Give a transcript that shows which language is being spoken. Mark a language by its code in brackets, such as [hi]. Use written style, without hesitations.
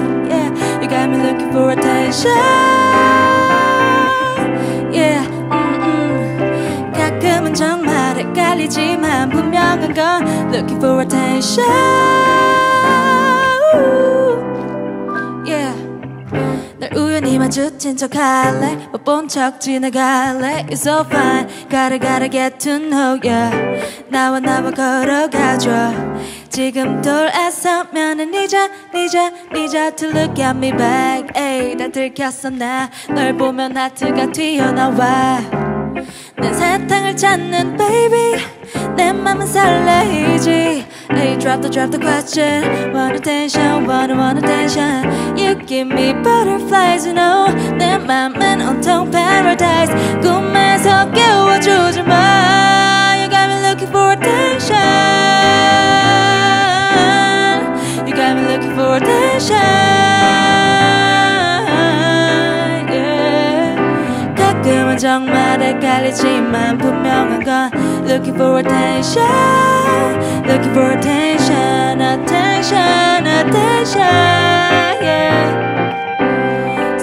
[en] Yeah, you got me looking for attention. Yeah, mm-mm. [ko] 가끔은 정말 헷갈리지만 분명한 건 [en] looking for attention. Yeah. [ko] 날 우연히 마주친 척 할래. 못 본 척 지나갈래. [en] It's so fine. Gotta get to know ya. [ko] 나와 걸어가줘. 지금 돌아서면은 니자 [en] to look at me back. [ko] Ay, 다 들켰어 나. 널 보면 하트가 튀어나와. 내 사탕을 찾는 baby. 내 맘은 설레이지. [en] Hey, drop the question. Want attention. You give me butterflies, you know. [ko] 내 맘은 온통 paradise. 꿈에서 깨워주지 마. [en] You got me looking for attention. You got me looking for attention. Yeah. [ko] 가끔은 정말 헷갈리지만 분명한 건 looking for attention. [en] Looking for attention, attention, attention, yeah.